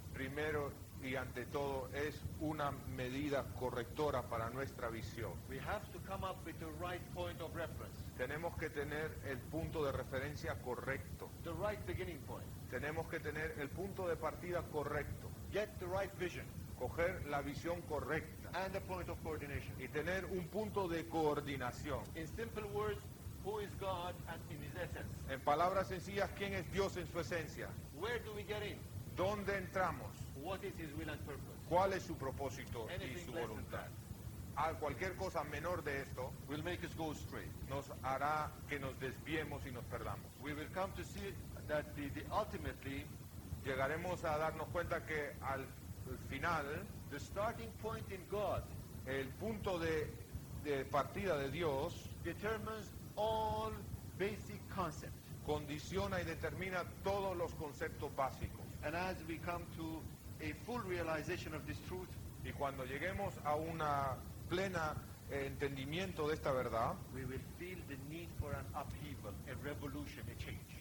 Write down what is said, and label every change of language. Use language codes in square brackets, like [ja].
[es] Primero y ante todo es una medida correctora para nuestra visión. [en] We have to come up with the right point of reference. [es] Tenemos que tener el punto de referencia correcto. [en] The right beginning point. [es] Tenemos que tener el punto de partida correcto. [en] Get the right vision. [es] Coger la visión correcta. [en] And the point of coordination. [es] Y tener un punto de coordinación. [en] In simple words, who is God and in his essence? [es] En palabras sencillas, ¿quién es Dios en su esencia? [en] Where do we get in? [es] ¿Dónde entramos? [en] What is his will and purpose? [es] ¿Cuál es su propósito? [en] Anything [es] y su voluntad? [en] Less than that. [es] A cualquier cosa menor de esto [en] will make us go straight. [es] Nos hará que nos desviemos y nos perdamos. [en] We will come to see that the ultimately [es] llegaremos a darnos cuenta que al final [en] the starting point in God, [es] el punto de partida de Dios [en] determines all basic concepts. [es] Condiciona y determina todos los conceptos básicos. [en] And as we come to a full realization of this truth, [es] y cuando lleguemos a una plena entendimiento de esta verdad, [en] we will feel the need for an upheaval, a revolution, a change.